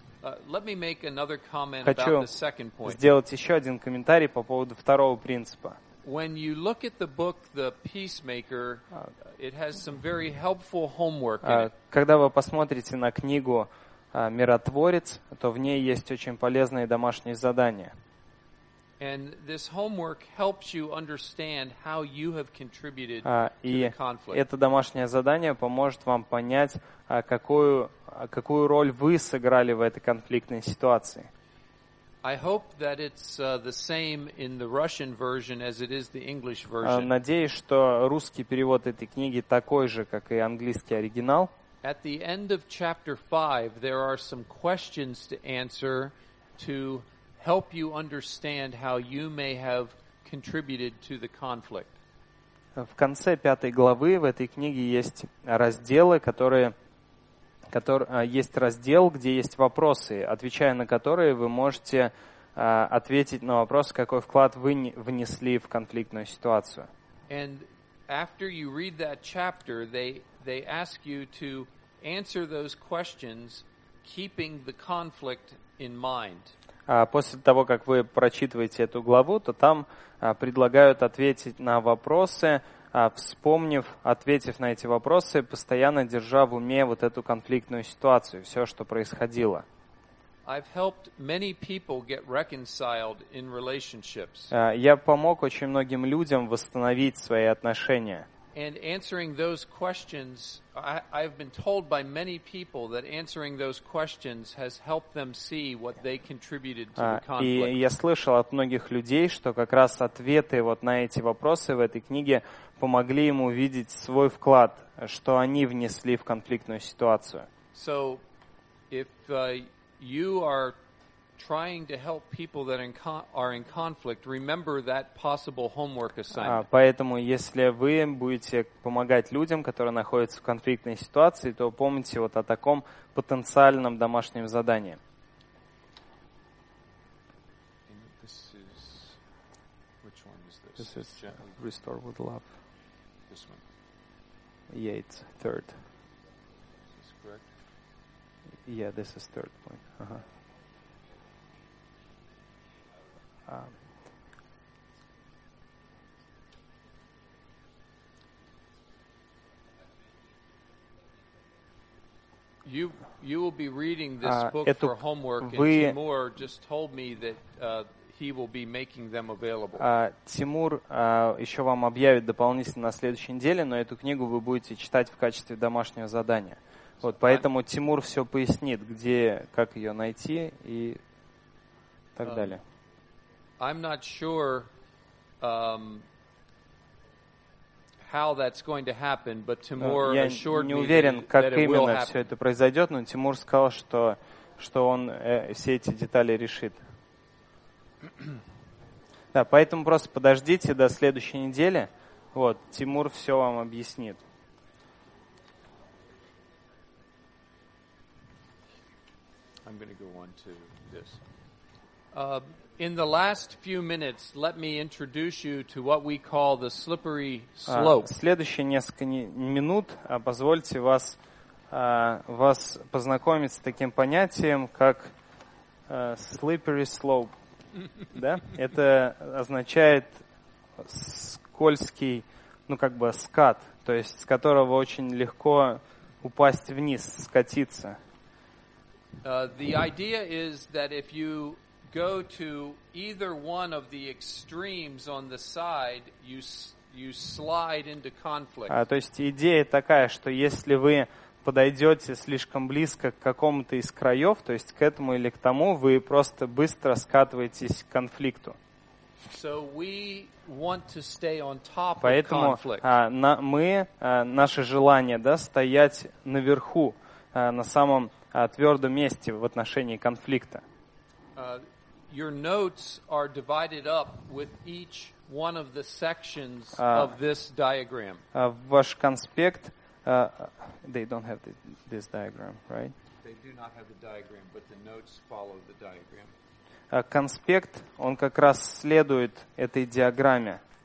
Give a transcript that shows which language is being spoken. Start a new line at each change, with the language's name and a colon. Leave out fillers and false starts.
Russian: Хочу сделать еще один комментарий по поводу второго принципа. Когда вы посмотрите на книгу «Миротворец», то в ней есть очень полезные домашние задания.
English: And this homework helps you understand how you have contributed to the conflict.
Russian: И это домашнее задание поможет вам понять, какую роль вы сыграли в этой конфликтной ситуации.
English: I hope that it's the same in the Russian version as it is the English version.
Russian: Надеюсь, что русский перевод этой книги такой же, как и английский оригинал.
English: At the end of chapter 5, there are some questions to answer to help you understand how you may have contributed to the conflict.
Russian: В конце пятой главы в этой книге есть разделы, которые есть раздел, где есть вопросы, отвечая на которые, вы можете ответить на вопрос, какой вклад вы внесли в конфликтную ситуацию.
English: And after you read that chapter, they ask you to answer those questions, keeping the conflict in mind.
Russian: После того, как вы прочитываете эту главу, то там предлагают ответить на вопросы, вспомнив, ответив на эти вопросы, постоянно держа в уме вот эту конфликтную ситуацию, все, что происходило.
English: I've helped many people get reconciled in relationships.
Russian: Я помог очень многим людям восстановить свои отношения.
English: And answering those questions, I've been told by many people that answering those questions has helped them see what they contributed to the conflict.
Russian: И я слышал от многих людей, что как раз ответы вот на эти вопросы в этой книге помогли им увидеть свой вклад, что они внесли в конфликтную ситуацию.
English: So, if you are trying to help people that are in conflict, remember that possible homework assignment.
Russian: Поэтому, если вы будете помогать людям, которые находятся в конфликтной ситуации, то помните вот о таком потенциальном домашнем задании.
English: This is, which one is this? This is Restore with Love. This one. Yeah, it's third. Is this correct? Yeah, this is third point. Uh-huh. You will be reading this book for homework, and Timur just told me that he will be making them available.
Russian: Тимур еще вам объявит дополнительно на следующей неделе, но эту книгу вы будете читать в качестве домашнего задания. Вот, поэтому Тимур все пояснит, где, как ее найти и так далее.
English: I'm not sure how that's going to happen, but Timur assured me
Russian: уверен,
English: that it will happen.
Russian: Я не уверен, как именно все это произойдет, но Тимур сказал, что он все эти детали решит. Да, поэтому просто подождите до следующей недели. Вот, Тимур все вам объяснит.
English: I'm going to go on to this. In the last few minutes, let me introduce you to what we call the slippery slope.
Russian: Следующие несколько минут позвольте вас познакомить с таким понятием, как slippery slope. Да? Это означает скользкий, ну как бы скат, то есть с которого очень легко упасть вниз, скатиться.
English: The idea is that if you go to either one of the extremes on the side, you slide into conflict.
Russian: То есть идея такая, что если вы подойдете слишком близко к какому-то из краев, то есть к этому или к тому, вы просто быстро скатываетесь к конфликту.
English: So we want to stay on top
Russian: Поэтому,
English: of conflict.
Russian: Наше желание, да, стоять наверху, на самом твердом месте в отношении конфликта.
English: Your notes are divided up with each one of the sections of this diagram.
Russian: Ваш конспект,
English: they don't have this diagram, right? They do not have the diagram, but the notes follow the diagram.
Russian: Конспект, он как раз следует этой диаграмме.